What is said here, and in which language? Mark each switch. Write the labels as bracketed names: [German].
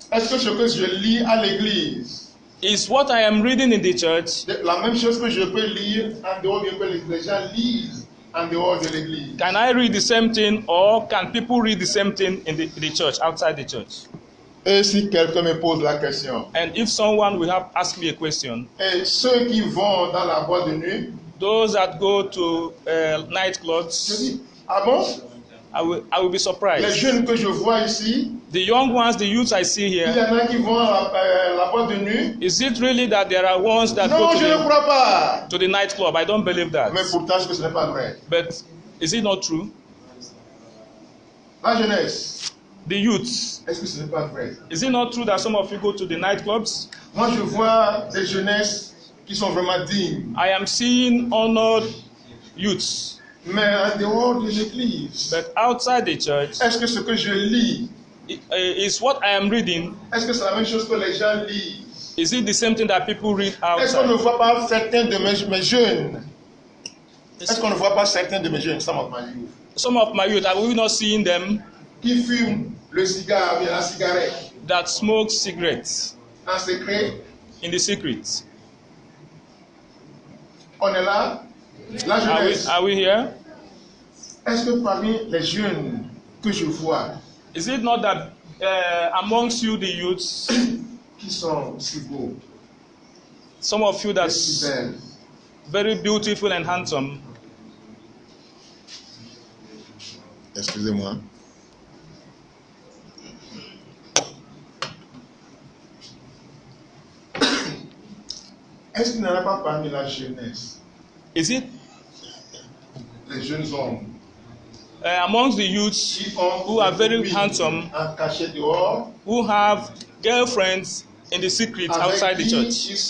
[French] Est-ce que je lis à l'église? [English] Is what I am reading in the church. [French] La même chose que je peux lire en dehors de l'église. Les gens lisent. [English] Can I read the same thing or can people read the same thing in the church, outside the church? [French] Et si quelqu'un me pose la question? [English] And if someone will have asked me a question. [French] Et ceux qui vont dans la boîte de nuit? [English] Those that go to nightclubs. [French] Ah bon? [English] I will be surprised. [French] Les jeunes que je vois ici, [English] the young ones, the youths I see here. [French] Il y en a qui vont la boîte de nuit. [English] Is it really that there are ones that [French] non, [English] go [French] je ne crois pas. [English] To the nightclub? I don't believe that. [French] Mais pourtant, ce n'est pas vrai. [English] But is it not true? [French] La jeunesse. [English] The youths. [French] Est-ce que ce n'est pas vrai? [English] Is it not true that some of you go to the nightclubs? [French] Moi, je vois des jeunesses qui sont vraiment dignes. [English] I am seeing honored youths. [French] Mais en dehors de l'église. [English] But outside the church. [French] Est-ce que ce que je lis? [English] Is what I am reading. [French] Est-ce que c'est la même chose que les gens lisent? [English] Is it the same thing that people read outside? [French] Est-ce qu'on ne voit pas certains de mes jeunes? Est-ce qu'on ne voit pas certains de mes jeunes? [English] Some of my youth. Some of my youth, are we not seeing them? [French] Qui fume le cigare avec la cigarette? [English] That smoke cigarettes. [French] En secret? [English] In the secret. [French] On est là? La jeunesse. [English] Are we here? [French] Est-ce que parmi les jeunes que je vois? [English] Is it not that amongst you, the youths? [French] Qui sont si beaux? [English] Some of you that's very beautiful and handsome. [French] Excusez-moi. Est-ce qu'il n'y a pas parmi la jeunesse? [English] Is it? [French] Les jeunes hommes. [English] Amongst the youths who are very handsome, who have girlfriends in the secret outside the church.